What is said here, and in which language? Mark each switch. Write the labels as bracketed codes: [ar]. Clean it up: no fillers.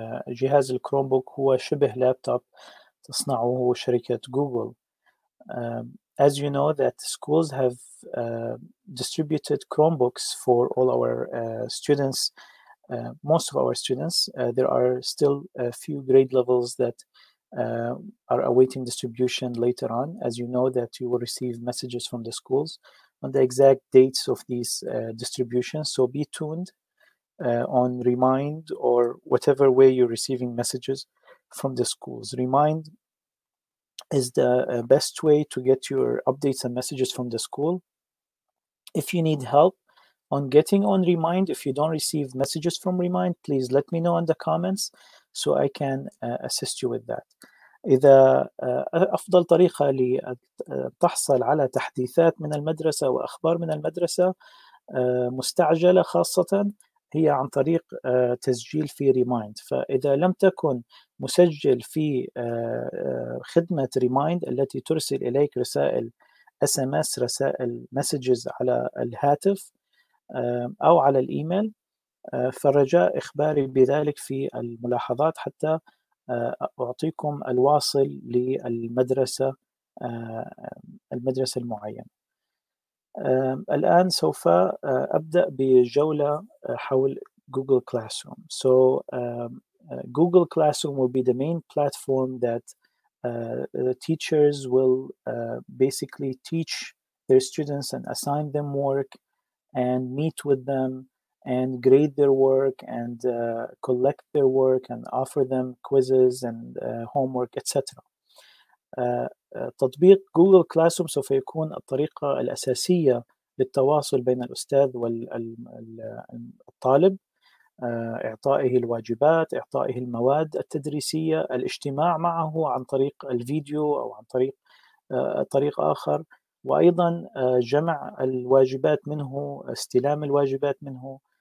[ar] جهاز الكروم بوك هو شبه لابتوب تصنعه شركة جوجل. [en] As you know that schools have distributed Chromebooks for all our students, most of our students, there are still a few grade levels that are awaiting distribution later on. As you know that you will receive messages from the schools on the exact dates of these distributions, so be tuned on Remind or whatever way you're receiving messages from the schools. Remind is the best way to get your updates and messages from the school. If you need help on getting on Remind, if you don't receive messages from Remind, please let me know in the comments so I can assist you with that. [ar] إذا أفضل طريقة لتحصل على تحديثات من المدرسة وأخبار من المدرسة مستعجلة خاصة هي عن طريق تسجيل في ريمايند. فإذا لم تكن مسجل في خدمة ريمايند التي ترسل إليك رسائل SMS رسائل messages على الهاتف أو على الإيميل فالرجاء إخباري بذلك في الملاحظات حتى أعطيكم الواصل للمدرسة المدرسة المعينة. الآن سوف أبدأ بجولة حول جوجل كلاس روم. [en] So Google Classroom will be the main platform that the teachers will basically teach their students and assign them work and meet with them and grade their work and collect their work and offer them quizzes and homework, etc. [ar] تطبيق جوجل كلاسروم سوف يكون الطريقة الأساسية للتواصل بين الأستاذ والطالب، إعطائه الواجبات، إعطائه المواد التدريسية، الاجتماع معه عن طريق الفيديو أو عن طريق طريق آخر، وأيضا جمع الواجبات منه، استلام الواجبات منه،